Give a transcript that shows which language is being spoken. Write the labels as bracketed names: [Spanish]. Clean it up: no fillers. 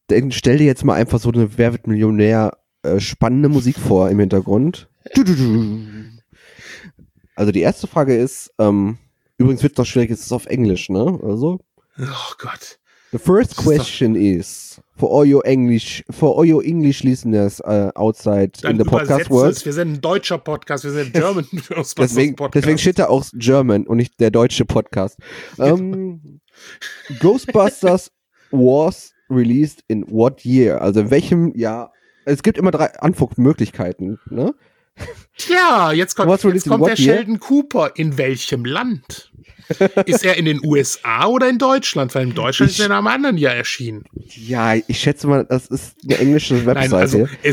[German] Stell dir jetzt mal einfach so eine Wer wird Millionär spannende Musik vor im Hintergrund. Also die erste Frage ist, übrigens wird es doch schwierig, es ist auf Englisch, ne? Oder so? Oh Gott. [English] The first question is, for all your English listeners outside dann in the podcast world. [German] Wir sind ein deutscher Podcast, wir sind ein German Podcast. Deswegen steht da auch German und nicht der deutsche Podcast. [English] Ghostbusters was released in what year? [German] Also in welchem Jahr? Es gibt immer drei Antwortmöglichkeiten, ne? Tja, jetzt kommt der Sheldon Cooper. In welchem Land? Ist er in den USA oder in Deutschland? Weil in Deutschland ist er in einem anderen Jahr erschienen. Ja, ich schätze mal, das ist eine englische Webseite.